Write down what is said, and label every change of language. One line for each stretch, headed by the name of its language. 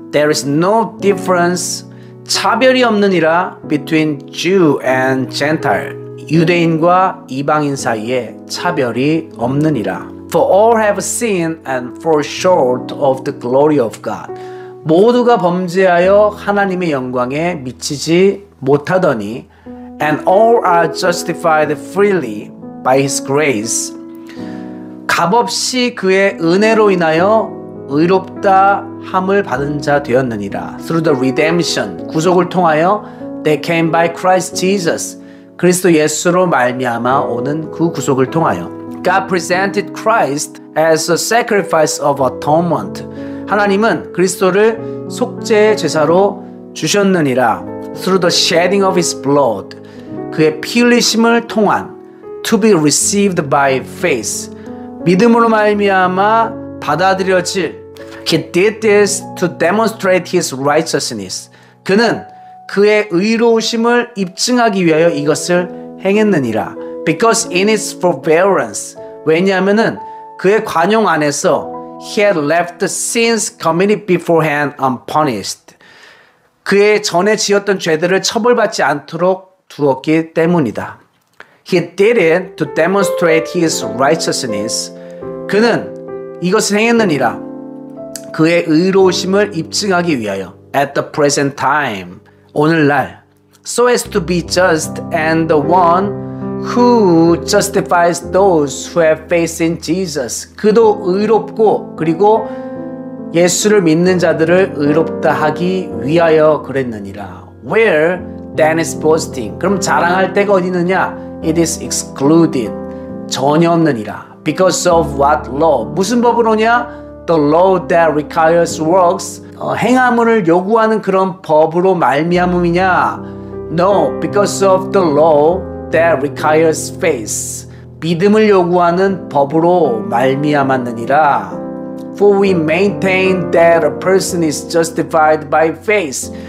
English: There is no difference.
Korean: 차별이 없느니라.
English: Between Jew and Gentile.
Korean: 유대인과 이방인 사이에 차별이 없느니라.
English: For all have sinned and fall short of the glory of God.
Korean: 모두가 범죄하여 하나님의 영광에 미치지 못하더니.
English: And all are justified freely by His grace.
Korean: 값없이 그의 은혜로 인하여 의롭다 함을 받은 자 되었느니라.
English: Through the redemption,
Korean: 구속을 통하여
English: they came by Christ Jesus.
Korean: 그리스도 예수로 말미암아 오는 그 구속을 통하여.
English: God presented Christ as a sacrifice of atonement.
Korean: 하나님은 그리스도를 속죄의 제사로 주셨느니라.
English: Through the shedding of his blood,
Korean: 그의 피 흘리심을 통한
English: to be received by faith.
Korean: 믿음으로 말미암아 받아들여질.
English: He did this to demonstrate his righteousness.
Korean: 그는 그의 의로우심을 입증하기 위하여 이것을 행했느니라.
English: Because in its forbearance,
Korean: 왜냐하면은 그의 관용 안에서
English: he had left the sins committed beforehand unpunished.
Korean: 그의 전에 지었던 죄들을 처벌받지 않도록 두었기 때문이다.
English: He did it to demonstrate his righteousness.
Korean: 그는 이것을 행했느니라. 그의 의로우심을 입증하기 위하여.
English: At the present time,
Korean: 오늘날.
English: So as to be just and the one who justifies those who have faith in Jesus.
Korean: 그도 의롭고 그리고 예수를 믿는 자들을 의롭다 하기 위하여 그랬느니라.
English: Where then is boasting?
Korean: 그럼 자랑할 때가 어디 있느냐?
English: It is excluded.
Korean: 전혀 없느니라.
English: Because of what law?
Korean: 무슨 법으로냐?
English: The law that requires works.
Korean: 행함을 요구하는 그런 법으로 말미암음이냐?
English: No, because of the law that requires faith.
Korean: 믿음을 요구하는 법으로 말미암았느니라.
English: For we maintain that a person is justified by faith.